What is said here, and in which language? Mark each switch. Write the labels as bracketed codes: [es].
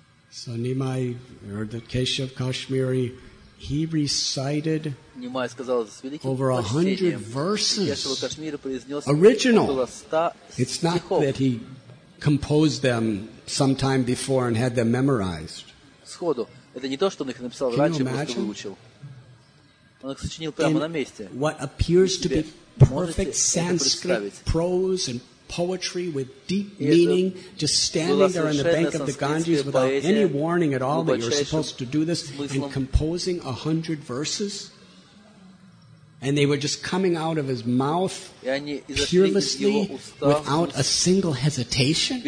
[en] So Nimai heard that Keshav Kashmiri, he recited [ru] сказал, [en] over 100 verses, original. It's not [ru] стихов. [en] That he composed them sometime before and had them memorized. [ru] Сходу. Это не то, что он их написал раньше, просто выучил. Он их сочинил прямо на месте. [en] What appears to be perfect Sanskrit prose and poetry with deep meaning, just standing there on the bank of the Ganges without any warning at all that you're supposed to do this and composing 100 verses, and they were just coming out of his mouth fearlessly without a single hesitation.